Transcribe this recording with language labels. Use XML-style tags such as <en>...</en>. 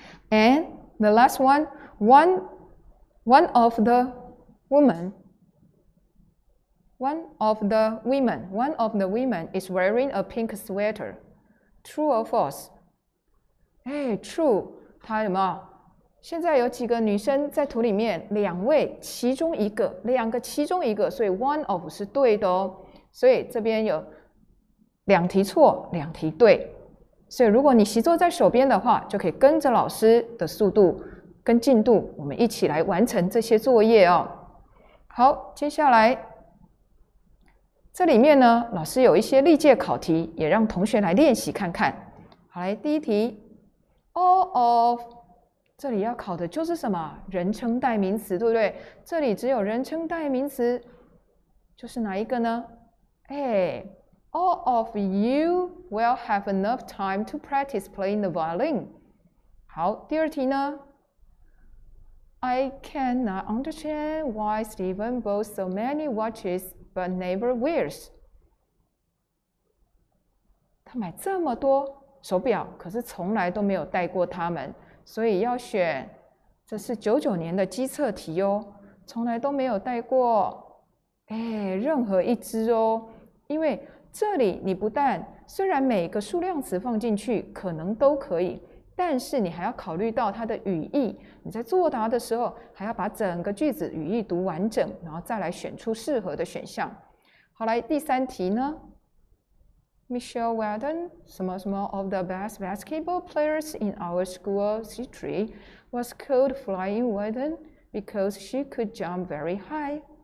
<en>And the last one of the women is wearing a pink sweater. True or false? 哎，true，</en> <zh>他有没有？现在有几个女生在图里面，两位其中一个，两个其中一个，所以 one of 是对的哦。所以这边有两题错，两题对。所以如果你习作在手边的话，就可以跟着老师的速度跟进度，我们一起来完成这些作业哦。好，接下来这里面呢，老师有一些历届考题，也让同学来练习看看。好，来第一题，all of。这里要考的就是什么？人称代名词，对不对？这里只有人称代名词，就是哪一个呢？</zh> <en>哎，All of you will have enough time to practice playing the violin。好，第二题呢？I cannot understand why Stephen bought so many watches but never wears。</en> <zh>他买这么多手表，可是从来都没有戴过它们。所以要选，这是99年的机测题哦，从来都没有戴过，哎，任何一只哦，因为这里你不但虽然每个数量词放进去可能都可以，但是你还要考虑到它的语义，你在作答的时候还要把整个句子语义读完整，然后再来选出适合的选项。好，来第三题呢，</zh> <en>Michelle Wadden</en> <zh>什么什么</zh> <en>of the best basketball players in our school history was called Flying Wadden because she could jump very high。</en>